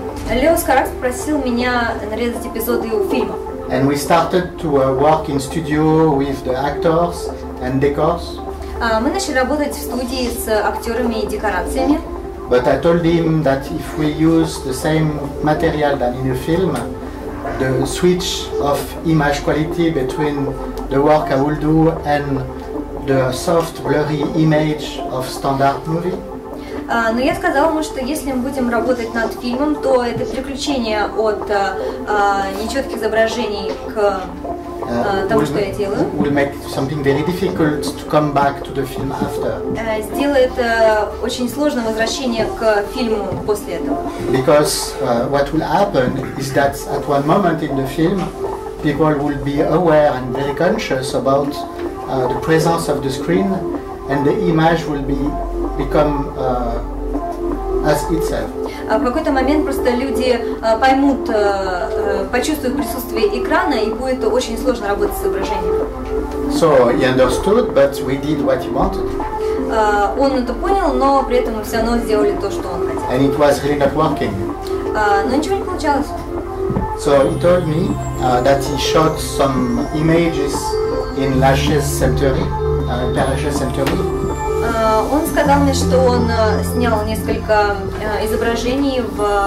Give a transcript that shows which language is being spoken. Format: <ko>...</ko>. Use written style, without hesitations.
<ru>Леос Карак просил меня нарезать эпизоды его фильма.</ru> <en>And we started to work in studio with the actors and decors.</en> <ru>Мы начали работать в студии с актерами и декорациями.</ru> <en>But I told him that if we use the same material than in a film, the switch of image quality between the work I will do and the soft blurry image of standard movie.</en> <ru>Но я сказала ему, что если мы будем работать над фильмом, то это переключение от нечетких изображений к тому, что я делаю.</ru> <en>Will make something very difficult to come back to the film after.</en> <ru>Сделает очень сложное возвращение к фильму после этого.</ru> <en>Because what will happen is that at one moment in the film, people will be aware and very conscious about the presence of the screen, and the image will be become as itself.</en> <ru>В какой-то момент просто люди поймут, почувствуют присутствие экрана, и будет очень сложно работать с изображением.</ru> <en>So he understood, but we did what he wanted.</en> <ru>Он это понял, но при этом мы все равно сделали то, что он хотел.</ru> <en>And it was really not working.</en> <ru>Но ничего не получалось.</ru> <en>So he told me that he shot some images in Lachaise-Saint-Thierry.</en> <ru>Он сказал мне, что он снял несколько изображений в</ru>